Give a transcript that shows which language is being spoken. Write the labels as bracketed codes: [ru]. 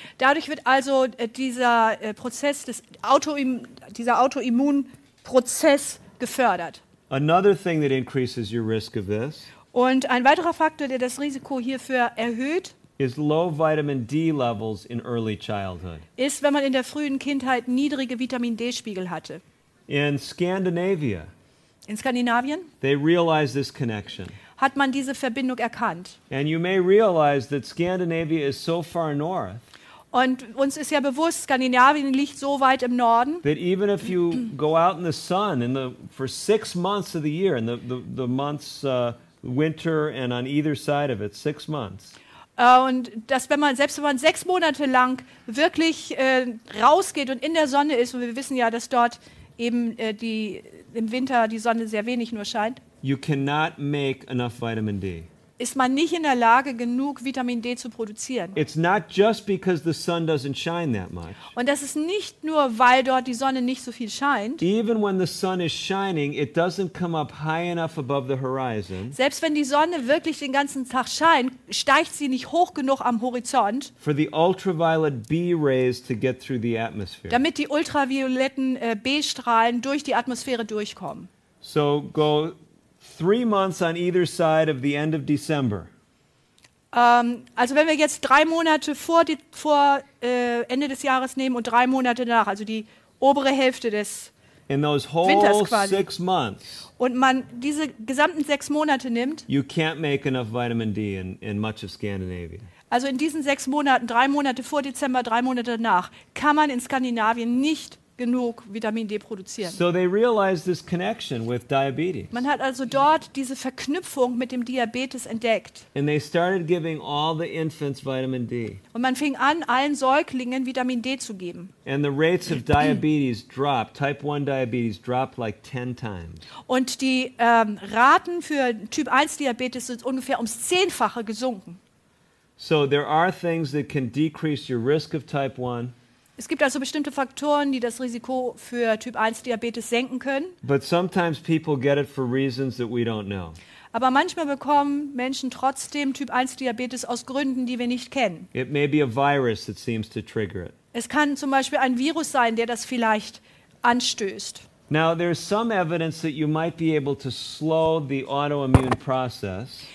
[de] Dadurch wird also dieser Autoimmunprozess gefördert. [en] Another thing that increases your risk of this. [de] Und ein weiterer Faktor, der das Risiko hierfür erhöht, [en] is low vitamin D levels in early childhood. [de] Ist, wenn man in der frühen Kindheit niedrige Vitamin D-Spiegel hatte. [en] In Scandinavia. [de] In Skandinavien. [en] They realize this connection. [de] Hat man diese Verbindung erkannt. [en] And you may realize that Scandinavia is so far north. [de] Und uns ist ja bewusst, Skandinavien liegt so weit im Norden. [en] That even if you go out in the sun in the for 6 months of the year, in the months winter and on either side of it, 6 months. [de] Und dass wenn man, selbst wenn man 6 Monate lang wirklich rausgeht und in der Sonne ist, und wir wissen ja, dass dort eben im Winter die Sonne sehr wenig nur scheint, [en] you cannot make enough vitamin D. [de] Ist man nicht in der Lage, genug Vitamin D zu produzieren. [en] It's not just because the sun doesn't shine that much. [de] Und das ist nicht nur, weil dort die Sonne nicht so viel scheint. [en] Even when the sun is shining, it doesn't come up high enough above the horizon. [de] Selbst wenn die Sonne wirklich den ganzen Tag scheint, steigt sie nicht hoch genug am Horizont. [en] For the ultraviolet B rays to get through the atmosphere. [de] Damit die ultravioletten B-Strahlen durch die Atmosphäre durchkommen. [en] So go 3 months on either side of the end of December. [de] Also wenn wir jetzt 3 Monate vor Ende des Jahres nehmen und 3 Monate danach, also die obere Hälfte des Winters quasi. [en] In those whole 6 months. [de] Und man diese gesamten 6 Monate nimmt. [en] You can't make enough vitamin D in much of Scandinavia. [de] Also in diesen 6 Monaten, 3 Monate vor Dezember, 3 Monate danach, kann man in Skandinavien nicht genug Vitamin D produzieren. [en] So they realize this connection with diabetes. [de] Man hat also dort diese Verknüpfung mit dem Diabetes entdeckt. [en] And they started giving all the infants vitamin D. [de] Und man fing an, allen Säuglingen Vitamin D zu geben. [en] And the rates of diabetes dropped, type 1 diabetes dropped like 10 times. [de] Und die Raten für Typ 1 Diabetes sind ungefähr ums Zehnfache gesunken. [en] So there are things that can decrease your risk of type 1. [de] Es gibt also bestimmte Faktoren, die das Risiko für Typ 1 Diabetes senken können. [en] But sometimes people get it for reasons that we don't know. [de] Aber manchmal bekommen Menschen trotzdem Typ 1 Diabetes aus Gründen, die wir nicht kennen. [en] It may be a virus that seems to trigger it. [de] Es kann zum Beispiel ein Virus sein, der das vielleicht anstößt. [en] Now there's some evidence that you might be able to slow the autoimmune process.